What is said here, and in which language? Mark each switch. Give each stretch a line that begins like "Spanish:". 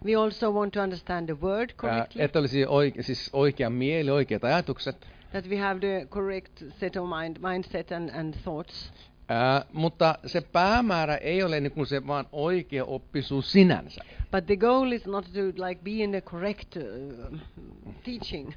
English: We also want to understand the word correctly.
Finnish: Että olisi siis oikea mieli, oikeat ajatukset.
English: That we have the correct set of mindset and thoughts.
Finnish: Mutta se päämäärä ei ole niin kuin se vaan oikea oppisuus sinänsä.
English: But the goal is not to like be in the correct teaching.